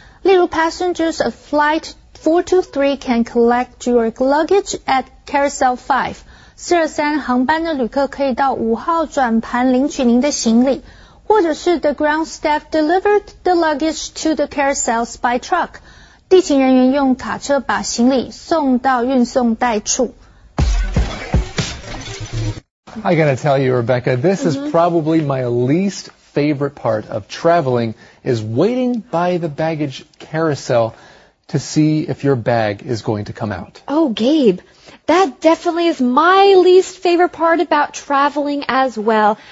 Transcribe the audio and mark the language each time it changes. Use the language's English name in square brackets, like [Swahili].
[Chinese] 例如 [English] passengers of flight 423 can collect your luggage at carousel 5. [Chinese] 423航班的旅客可以到5号转盘领取您的行李。或者是 [English] the ground staff delivered the luggage to the carousels by truck. [Chinese] 地勤人员用卡车把行李送到运送带处。 [English] I gotta tell you, Rebecca, this is probably my least favorite part of traveling is waiting by the baggage carousel to see if your bag is going to come out. Oh, Gabe. That definitely is my least favorite part about traveling as well.